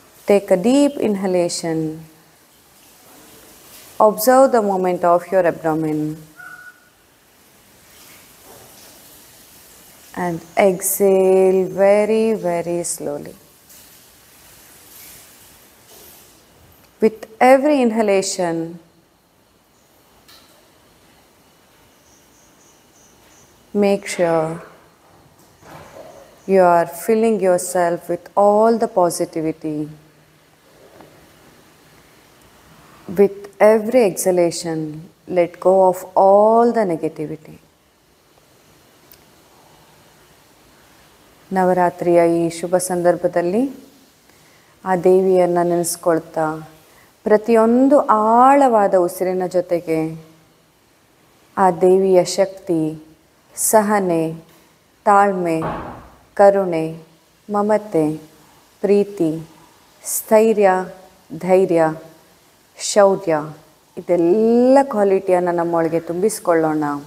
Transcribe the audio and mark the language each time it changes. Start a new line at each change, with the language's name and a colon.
English: Take a deep inhalation. Observe the movement of your abdomen and exhale very very slowly. With every inhalation, make sure you are filling yourself with all the positivity. With every exhalation, let go of all the negativity.
Kannada: ನವರಾತ್ರಿಯ ಈ ಶುಭ ಸಂದರ್ಭದಲ್ಲಿ ಆ ದೇವಿಯನ್ನು ನೆನೆಸ್ಕೊಳ್ತಾ ಪ್ರತಿಯೊಂದು ಆಳವಾದ ಉಸಿರಿನ ಜೊತೆಗೆ ಆ ದೇವಿಯ ಶಕ್ತಿ, ಸಹನೆ, ತಾಳ್ಮೆ, ಕರುಣೆ, ಮಮತೆ, ಪ್ರೀತಿ, ಸ್ಥೈರ್ಯ, ಧೈರ್ಯ, ಶೌರ್ಯ, ಇದೆಲ್ಲ ಕ್ವಾಲಿಟಿಯನ್ನು ನಮ್ಮೊಳಗೆ ತುಂಬಿಸಿಕೊಳ್ಳೋಣ.